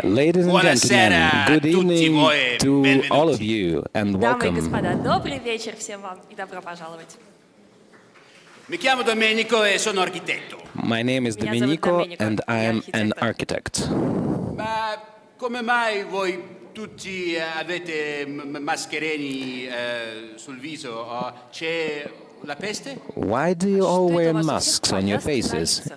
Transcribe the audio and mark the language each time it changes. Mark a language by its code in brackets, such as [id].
[en] ladies and gentlemen, good evening to all of you and welcome. [ru] Дамы и господа, добрый вечер всем вам и добро пожаловать. [it] Mi chiamo Domenico e sono architetto. [en] My name is Domenico and I'm an architect. [it] Ma come mai voi tutti avete mascherini sul viso? C'è la peste? [en] Why do you all wear masks on your faces?